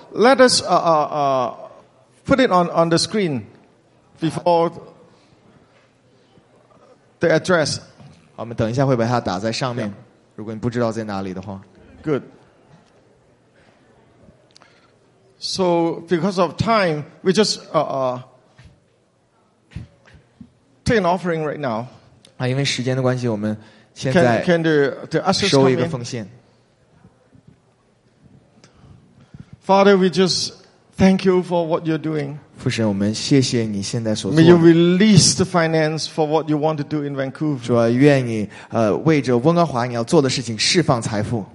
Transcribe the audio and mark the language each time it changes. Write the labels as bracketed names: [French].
[English] Let us put it on the screen before the address. [Chinese] 好，我们等一下会把它打在上面。如果你不知道在哪里的话。 [English] Good. So because of time, we just take an offering right now. [Chinese] 啊，因为时间的关系，我们现在 [English] can the ushers [Chinese] 收一个奉献。 [English] Father, we just thank you for what you're doing. [Chinese] 父神，我们谢谢你现在所做。 [English] May you release the finance for what you want to do in Vancouver. [Chinese] 主啊，愿你为着温哥华你要做的事情释放财富。